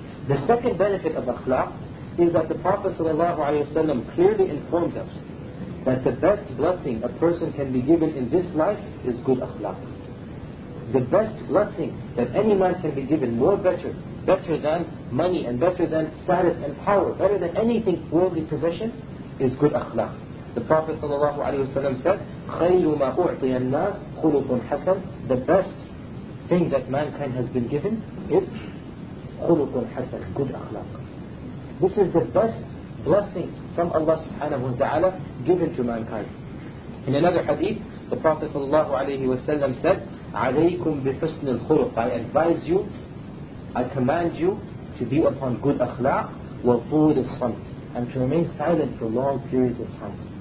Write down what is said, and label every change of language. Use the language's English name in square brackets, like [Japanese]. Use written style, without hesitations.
[English] The second benefit of akhlaq is that the Prophet ﷺ clearly informed us that the best blessing a person can be given in this life is good akhlaq. The best blessing that any man can be given, better than money and better than status and power, better than anything worldly possession, is good akhlaq. The Prophet ﷺ said, [Arabic] خَيْرُ مَا أُعْطِيَ النَّاسِ خُلُقٌ حَسَنٌ. [English] The best thing that mankind has been given is [Arabic] خُلُقٌ حَسَنٌ, [English] good akhlaq. This is the best blessing from Allah subhanahu wa ta'ala given to mankind. In another hadith, the Prophet sallallahu alayhi wa sallam said, [Arabic] عَلَيْكُمْ بِحُسْنِ الْخُلُقِ. [English] I advise you, I command you to be upon good akhlaq, [Arabic] وَطُولِ الصَّمْتِ, [English] and to remain silent for long periods of time.